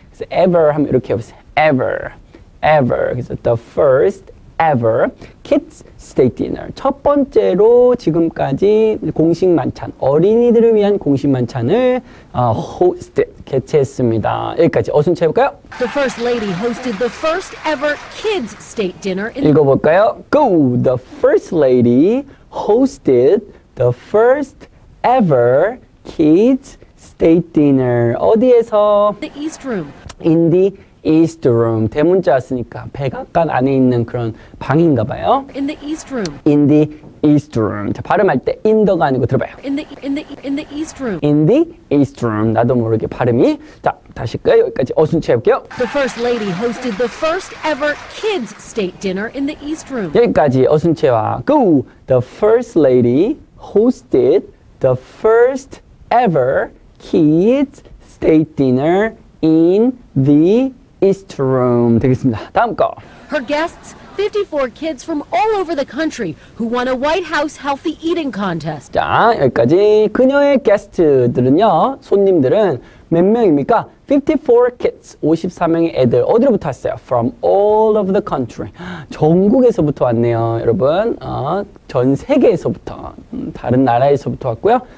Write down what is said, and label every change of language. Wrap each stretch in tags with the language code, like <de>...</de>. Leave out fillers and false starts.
<ko>그래서 ever 하면 이렇게 해보세요.</ko> <en>Ever, ever. 그래서 the first ever kids state dinner.</en> <ko>첫 번째로 지금까지 공식 만찬, 어린이들을 위한 공식 만찬을 hosted, 개최했습니다. 여기까지 어순 채울까요?</ko> <en>The first lady hosted the first ever kids state dinner.</en> <ko>읽어볼까요? Go!</ko> <en>The first lady hosted the first ever kids state dinner.</en> <ko>어디에서?</ko> <en>The east room. In the East room.</en> <ko>대문자 왔으니까 백악관 안에 있는 그런 방인가 봐요.</ko> <en>In the East room. In the East room.</en> <ko>자, 발음할 때 인더가 아니고 들어봐요.</ko> <en>In the East room. In the East room.</en> <ko>나도 모르게 발음이. 자, 다시 할까요? 여기까지 어순 채울게요.</ko> <en>The first lady hosted the first ever kids state dinner in the East room.</en> <ko>여기까지 어순 채워. Go!</ko> <en>The first lady hosted the first ever kids state dinner in the East room.</en> <ko>되겠습니다. 다음 거.</ko> <en>Her guests, 54 kids from all over the country who won a White House healthy eating contest.</en> <ko>자, 여기까지 그녀의 게스트들은요, 손님들은 몇 명입니까?</ko> <en>54 kids,</en> <ko>54명의 애들. 어디로부터 왔어요?</ko> <en>From all over the country.</en> <ko>전국에서부터 왔네요, 여러분. 전 세계에서부터, 다른 나라에서부터 왔고요.</ko>